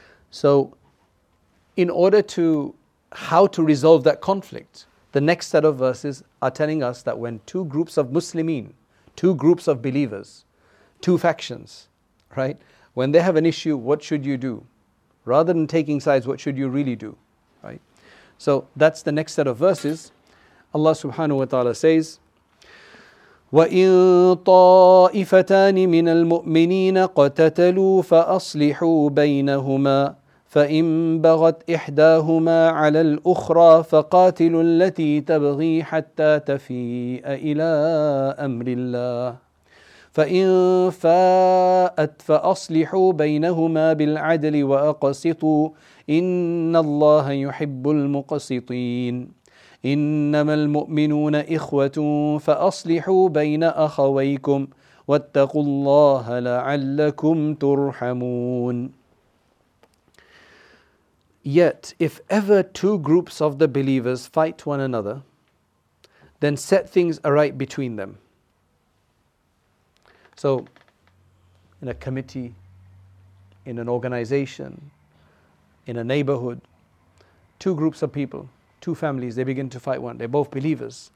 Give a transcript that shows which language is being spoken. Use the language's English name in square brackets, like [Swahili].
[English] So, in order to how to resolve that conflict, the next set of verses are telling us that when two groups of Muslimin, two groups of believers, two factions, right, when they have an issue, what should you do? Rather than taking sides, what should you really do? Right? So that's the next set of verses. [Arabic] Allah subhanahu wa ta'ala says, وَإِن طَائِفَتَانِ مِنَ الْمُؤْمِنِينَ قَتَتَلُوا فَأَصْلِحُوا بَيْنَهُمَا فَإِن بَغَتْ إِحْدَاهُمَا عَلَى الْأُخْرَى فَقَاتِلُوا الَّتِي تَبْغِي حَتَّى تَفِيءَ إِلَىٰ أَمْرِ اللَّهِ فَإِن فَاءَتْ فَأَصْلِحُوا بَيْنَهُمَا بِالْعَدْلِ وَأَقْسِطُوا إِنَّ اللَّهَ يُحِبُّ الْمُقْسِطِينَ إِنَّمَا الْمُؤْمِنُونَ إِخْوَةٌ فَأَصْلِحُوا بَيْنَ أَخَوَيْكُمْ وَاتَّقُوا اللَّهَ لَعَلَّكُمْ تُرْحَمُونَ. [English] Yet, if ever two groups of the believers fight one another, then set things aright between them. So, in a committee, in an organization, in a neighborhood, two groups of people, two families, they begin to fight one. They're both believers.